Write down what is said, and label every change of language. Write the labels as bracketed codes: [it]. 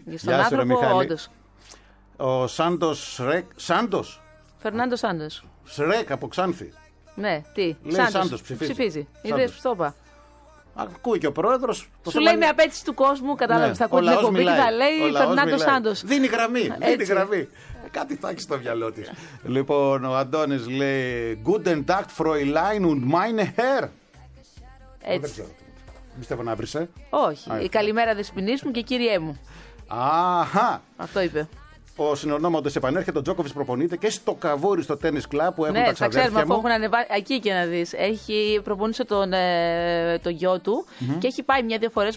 [el] Γεια σου, ρε Μιχάλη. Ο Σάντος Ρεκ. Σάντος. Φερνάντο Σάντος. Σρεκ από Ξάνθη. Ναι, τι. Σάντος ψηφίζει. Είδες που το είπα. Ακούει και ο πρόεδρος. Σου λέει με απέτηση του κόσμου, κατάλαβε. Θα ακούει την εκπομπή και θα λέει Φερνάντο Σάντος. Δίνει γραμμή. Δίνει γραμμή. Κάτι θα έχει στο μυαλό τη. Λοιπόν, ο Αντώνης λέει [de] Guten Tag, Fräulein und meine Herr. [el] Έτσι. Πιστεύω να βρει. Όχι. Η καλημέρα δεσποινή μου και κύριέ μου. Αχά. Αυτό είπε. Ο συνονόματος επανέρχεται, ο Τζόκοβιτς προπονείται και στο Καβούρι στο τένις κλαμπ που έχουν ναι, τα ξαδέρφια μου. Ναι, έχουν ανεβάσει εκεί και να δεις. Έχει προπονήσει τον γιο του mm-hmm. και έχει πάει μια-δύο φορές.